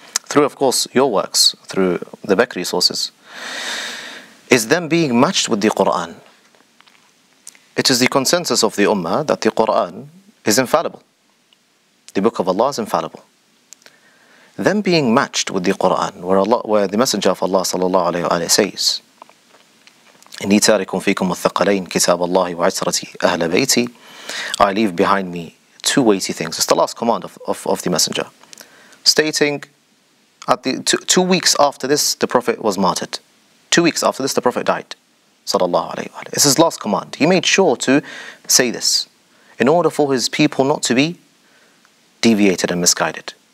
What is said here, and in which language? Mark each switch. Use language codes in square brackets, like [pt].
[en] Through, of course, your works, through the Bakri sources, is them being matched with the Qur'an. It is the consensus of the Ummah that the Qur'an is infallible. The Book of Allah is infallible. Them being matched with the Qur'an, where the Messenger of Allah sallallahu alayhi wa alayhi says, [ar] إني تارك فيكم الثقلين كتاب الله وعترتي أهل بيتي. [en] I leave behind me two weighty things. It's the last command of the messenger, stating at the two weeks after this, the Prophet was martyred. 2 weeks after this, the Prophet died. Sallallahu alayhi wa sallam. It's his last command. He made sure to say this in order for his people not to be deviated and misguided.